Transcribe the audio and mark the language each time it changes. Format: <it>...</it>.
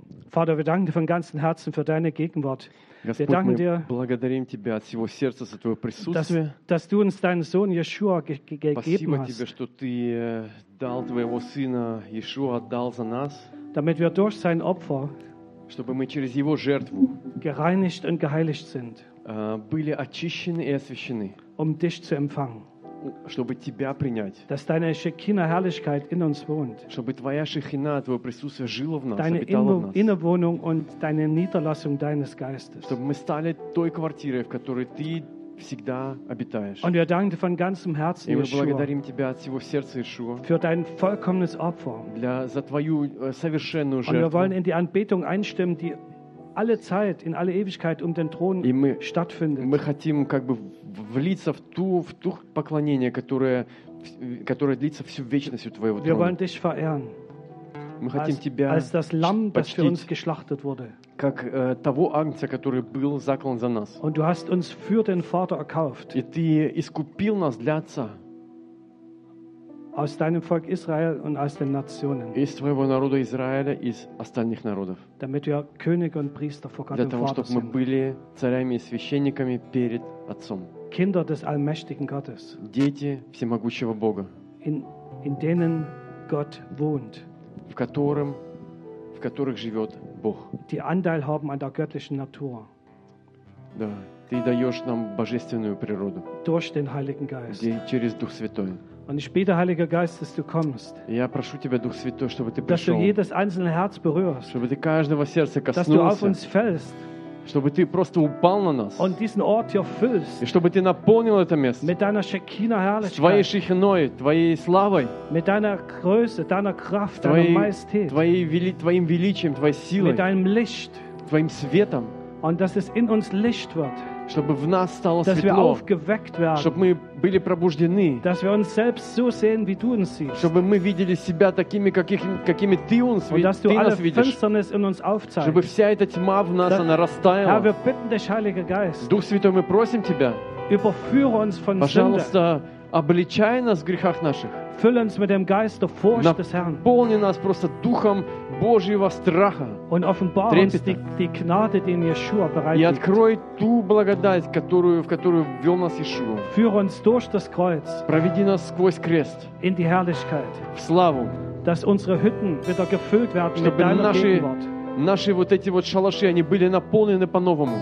<de>Vater, wir danken dir von ganzem Herzen für deine Gegenwart.</de> <ru>Господь,</ru> <de>wir danken dir,</de> <ru>благодарим тебя от всего сердца за твое присутствие.</ru> <de>Dass du uns deinen Sohn Yeshua gegeben hast.</de> <ru>Спасибо тебе, что ты дал твоего сына Yeshua отдал за нас.</ru> <de>Damit wir durch sein Opfer,</de> <ru>чтобы мы через его жертву,</ru> <de>gereinigt und geheiligt sind,</de> <ru>были очищены и освящены,</ru> <de>um dich zu empfangen.</de> <ru>Чтобы тебя принять.</ru> <de>Dass deine Shekina-Herrlichkeit in uns wohnt.</de> <ru>Чтобы твоя Шехина, твое присутствие жило в нас,</ru> <de>deine</de> <ru>обитало в нас.</ru> <de>Innerwohnung und deine Niederlassung deines Geistes.</de> <ru>Чтобы мы стали той квартирой, в которой ты всегда обитаешь.</ru> <de>Und wir danken dir von ganzem Herzen,</de> <ru>И мы благодарим тебя от всего сердца, Yeshua.</ru> <de>Für dein vollkommenes Opfer.</de> <ru>За твою совершенную жертву.</ru> <de>Und wir wollen in die Anbetung einstimmen, die alle Zeit, in alle Ewigkeit um den Thron stattfindet.</de> <ru>Мы хотим как бы влиться в ту поклонение, которое длится всю вечность у твоего трона.</ru> <de>Wir wollen dich verehren.</de> <ru>Мы хотим тебя</ru> <de>als das Lamm, das für uns geschlachtet wurde.</de> <ru>Как того Агнца, который был заклан за нас.</ru> <de>Und du hast uns für den Vater erkauft.</de> <ru>И ты искупил нас для Отца.</ru> <de>Aus deinem Volk Israel und aus den Nationen.</de> <ru>Из твоего народа Израиля и из остальных народов.</ru> <de>Damit wir Könige und Priester vor Gott und Vater sind.</de> <ru>Для того, чтобы мы были царями и священниками перед Отцом.</ru> <de>Kinder des allmächtigen Gottes.</de> <ru>Дети всемогущего Бога.</ru> <de>In denen Gott wohnt.</de> <ru>В которых живет Бог.</ru> <de>Die Anteil haben an der göttlichen Natur.</de> <ru>Да, ты даешь нам божественную природу.</ru> <de>Durch den Heiligen Geist.</de> <ru>Через Дух Святой.</ru> <de>Und ich bete, Heiliger Geist, dass du kommst.</de> <ru>Я прошу тебя, Дух Святой, чтобы ты пришел.</ru> <de>Dass du jedes einzelne Herz berührst.</de> <ru>Чтобы ты каждого сердца коснулся.</ru> <de>Dass du auf uns fällst.</de> <ru>Чтобы ты просто упал на нас.</ru> <de>Und diesen Ort hier füllst.</de> <ru>И чтобы ты наполнил это место.</ru> <de>Mit deiner Shekina Herrlichkeit.</de> <ru>Твоей Шехиной, твоей славой.</ru> <de>Mit deiner Größe, deiner Kraft, deiner Majestät.</de> <ru>Твоим величием, твоей силой.</ru> <de>Mit deinem Licht.</de> <ru>Твоим светом.</ru> <de>Und dass es in uns Licht wird.</de> <ru>Чтобы в нас стало</ru> <de>dass</de> <ru>светло,</ru> <de>wir aufgeweckt werden,</de> <ru>чтобы мы были пробуждены,</ru> <de>dass wir uns selbst so sehen, wie du uns siehst,</de> <ru>чтобы мы видели себя такими, какими ты</ru> <de>uns und dass</de> <ru>ты</ru> <de>du</de> <ru>нас</ru> <de>alle Finsternis in uns aufzeigst,</de> <ru>чтобы вся эта тьма в нас она растаяла.</ru> <de>Herr, wir bitten dich, Heiliger Geist,</de> <ru>Дух Святой, мы просим тебя,</ru> <de>überführe uns von</de> <ru>пожалуйста, обличай нас в грехах наших,</ru> <de>Fülle uns mit dem Geist der Furcht des Herrn.</de> <ru>Наполни нас просто духом Божьего страха.</ru> <de>Und offenbar uns die Gnade, die in Yeshua bereitet.</de> <ru>И открой ту благодать, которую, в которую ввел нас Иешуа.</ru> <de>Führe uns durch das Kreuz.</de> <ru>Проведи нас сквозь крест.</ru> <de>In die Herrlichkeit.</de> <ru>В славу.</ru> <de>Dass unsere Hütten wieder gefüllt werden mit deiner Gegenwart.</de> <ru>Наши вот эти вот шалаши, они были наполнены по-новому.</ru>